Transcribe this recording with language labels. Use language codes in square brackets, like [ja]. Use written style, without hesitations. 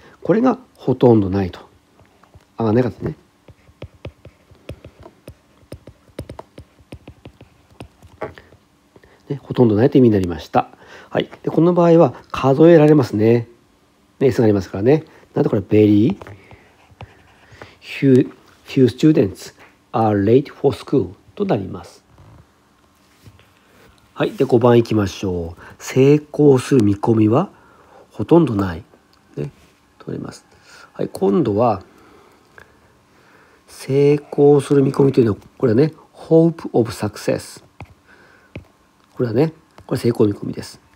[ja] これがほとんどないと。あ、なかったね。ね、ほとんどないという意味になりました。はい。で、この場合は数えられますね。ね、S がありますからね。 [en] なんでこれ、very few students are late for school [ja] となります。はい。で、5番いきましょう。成功する見込みはほとんどない。取ります。はい、今度は成功する見込みというのは、これはね、 [en] hope of success、 [ja] これはね、これ成功見込みです。